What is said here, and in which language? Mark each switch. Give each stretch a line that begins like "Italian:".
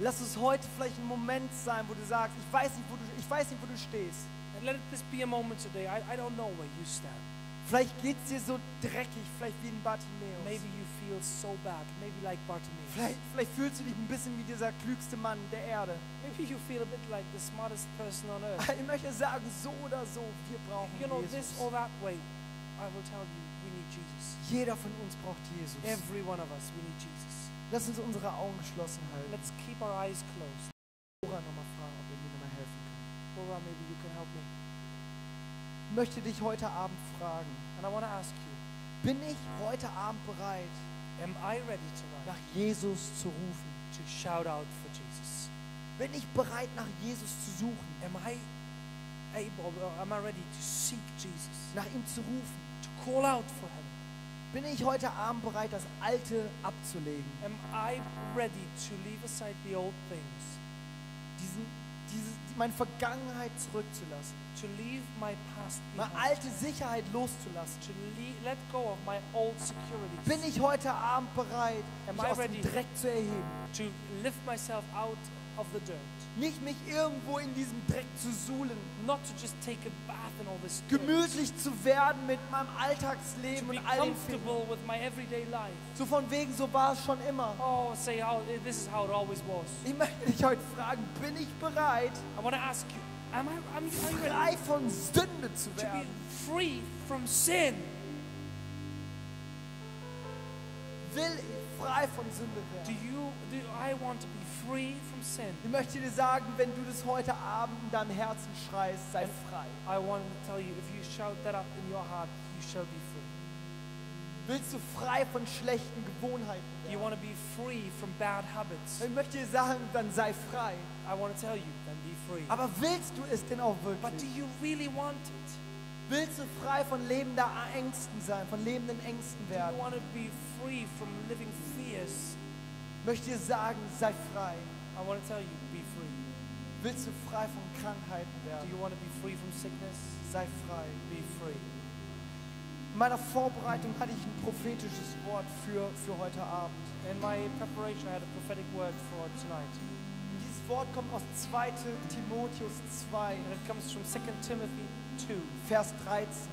German: Lass es heute vielleicht ein Moment sein, wo du sagst, ich weiß nicht, wo du stehst.
English: let this be a moment today. I don't know where you stand.
German: Vielleicht geht's dir so dreckig, vielleicht wie in Bartimäus.
English: Maybe you feel so bad, maybe like Bartimäus.
German: Vielleicht fühlst du dich ein bisschen wie dieser klügste Mann der Erde.
English: Maybe you feel a bit like the smartest person on earth.
German: Ich möchte sagen, so oder so, wir brauchen
English: Jesus. You know, this or that way, I will tell you, we need Jesus.
German: Jeder von uns braucht Jesus.
English: Every one of us, we need Jesus.
German: Lass uns unsere Augen geschlossen halten.
English: Let's keep our eyes closed.
German: Ora, noch mal fragen, ob ihr mir noch mal helfen könnt.
English: Ora, maybe you can help me.
German: Möchte dich heute Abend fragen.
English: And I want to ask you.
German: Bin ich heute Abend bereit?
English: Am I ready tonight?
German: Nach Jesus zu rufen.
English: To shout out for Jesus.
German: Bin ich bereit, nach Jesus zu suchen?
English: Am I able? Or am I ready to seek Jesus?
German: Nach ihm zu rufen.
English: To call out for him.
German: Bin ich heute Abend bereit, das Alte abzulegen?
English: Am I ready to leave aside the old things?
German: Meine Vergangenheit zurückzulassen.
English: To leave my past behind.
German: Meine alte Sicherheit loszulassen.
English: To let go of my old securities.
German: Bin ich heute Abend bereit, mich aus dem Dreck zu erheben?
English: To lift myself out of the dirt.
German: Nicht mich irgendwo in diesem Dreck zu suhlen.
English: Not to just take a bath in all this dirt.
German: Gemütlich zu werden mit meinem Alltagsleben und all den Fehlern.
English: To be comfortable with my everyday life.
German: So von wegen, so war es schon immer.
English: Oh, say how this is how it always was.
German: Ich möchte dich heute fragen, bin ich bereit,
English: I want to ask you,
German: frei von Sünde zu werden?
English: To be free from sin.
German: Will ich frei von Sünde werden?
English: Do I want to be free from sin?
German: Ich möchte dir sagen, wenn du das heute Abend in deinem Herzen schreist, sei frei.
English: I want to tell you, if you shout that up in your heart, you shall be free.
German: Willst du frei von schlechten Gewohnheiten werden?
English: Do you want to be free from bad habits?
German: Ich möchte dir sagen, dann sei frei.
English: I want to tell you, then be free.
German: Aber willst du es denn auch wirklich?
English: But do you really want it?
German: Willst du frei von lebender Ängsten sein, von lebenden Ängsten werden?
English: Do you want to be free from living fears?
German: Möchte dir sagen, sei frei.
English: I want to tell you, be free.
German: Willst du frei von Krankheiten werden?
English: Do you want to be free from sickness?
German: Sei frei.
English: Be free.
German: In meiner Vorbereitung hatte ich ein prophetisches Wort für heute Abend.
English: In my preparation, I had a prophetic word for tonight.
German: Dieses Wort kommt aus 2. Timotheus 2.
English: And it comes from 2 Timothy 2.
German: Vers 13.